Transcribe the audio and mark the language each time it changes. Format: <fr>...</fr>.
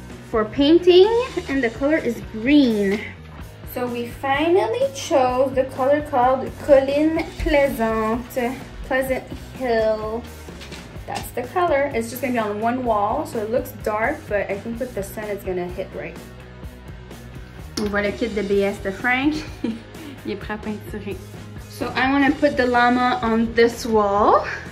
<en>For painting, and the color is green. So we finally chose the color called Colline Plaisante, Pleasant Hill. That's the color. It's just gonna be on one wall, so it looks dark, but I think with the sun, it's gonna hit right.</en> <fr>On voit le kit de BS de Frank. Il est prêt à peinturer.</fr> <en>So I want to put the llama on this wall.</en>